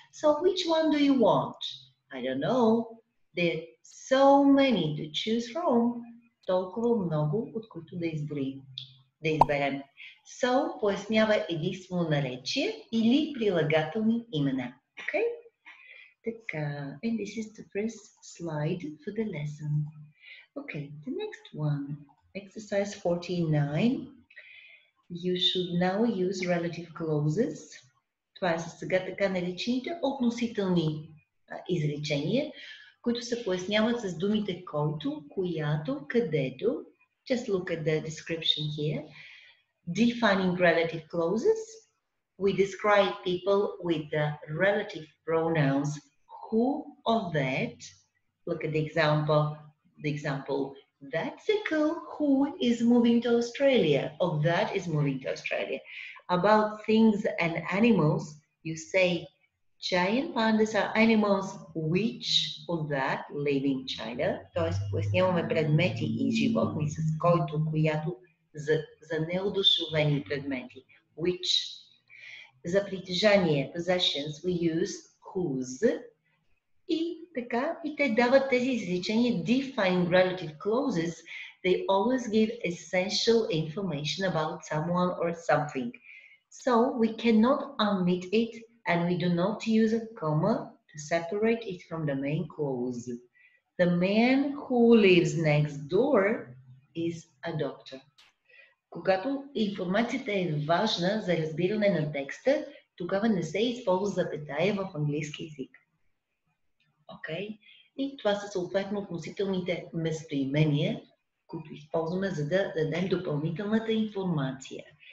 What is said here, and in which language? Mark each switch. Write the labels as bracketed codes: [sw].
[en] So which one do you want? I don't know. There are so many to choose from. [bg] Толкова много, от които да изберем. [en] So [bg] пояснява единствено наречие или прилагателни имена. [en] Okay? [bg] Така, [en] and this is the first slide for the lesson. Okay, the next one, exercise 49. You should now use relative clauses. [bg] Това са сега така наречените относителни изречения, които се поясняват с думите който, която, където. [en] Just look at the description here. Defining relative clauses. We describe people with the relative pronouns. Who or that? Look at the example. The example, that's a girl who is moving to Australia. Or that is moving to Australia. About things and animals, you say, giant pandas are animals which or that live in China. [bg] Тоест, поясняваме предмети и животни с който, която, за неодушевени предмети. [en] Which. [bg] За притежание, [en] possessions, we use whose. [bg] И така, и те дават тези изречения [en] defined relative clauses. They always give essential information about someone or something. So we cannot omit it and we do not use a comma to separate it from the main clause. The man who lives next door is a doctor. [bg] Когато информацията е важна за разбиране на текста, тогава не се използва запетая в английски език. [en] Okay. [bg] И това са съответно относителните местоимения, които използваме, за да дадем допълнителната информация.